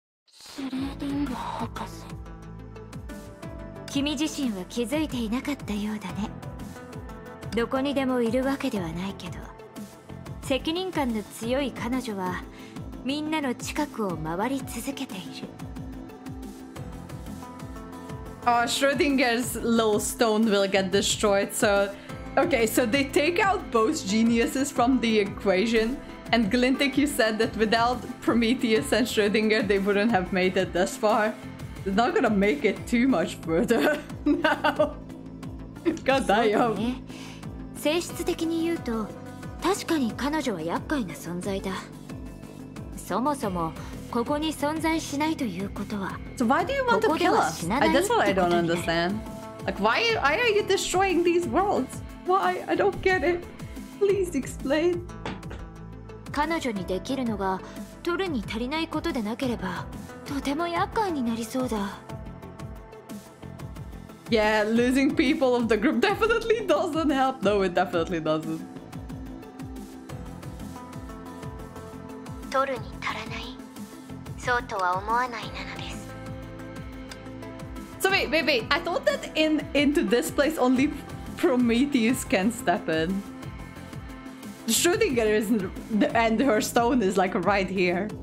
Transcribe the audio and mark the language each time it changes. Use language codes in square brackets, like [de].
[ja] シュレディンガ博士。君自身は気づいていなかったようだね。どこにでもいるわけではないけど、責任感の強い彼女はみんなの近くを回り続けている。 [en] シュレディンガー's little stone will get destroyed, so okay, so they take out both geniuses from the equation, and Glintik, you said that without Prometheus and Schrödinger they wouldn't have made it this far. They're not gonna make it too much further now. God damn. [ja] 性質的に言うと、確かに彼女は厄介な存在だ。そもそもここに存在しないということは、 [en] So why do you want to kill us? That's what I don't understand. Like, why are you destroying these worlds? Why? I don't get it. Please explain. [ja] 彼女にできるのが取るに足りないことでなければ、とても厄介になりそうだ。 [en] Yeah, losing people of the group definitely doesn't help. No, it definitely doesn't. [ja] 取るに足らない。そうとは思わないなのです。 [en] So wait. I thought that into this place only Prometheus can step in. Schrödinger isn't, and her stone is like right here.